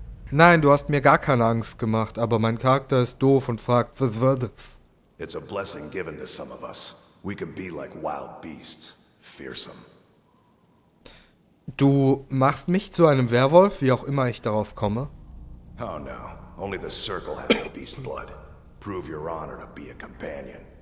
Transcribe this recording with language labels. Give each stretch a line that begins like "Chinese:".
German: Nein, du hast mir gar keine Angst gemacht, aber mein Charakter ist doof und fragt, was war das?
English: It's a blessing given to some of us. We can be like wild beasts, fearsome.
German: Du machst mich zu einem Werwolf, wie auch immer ich darauf komme?
English: Oh no, only the circle has the beast blood. Prove your honor to be a companion.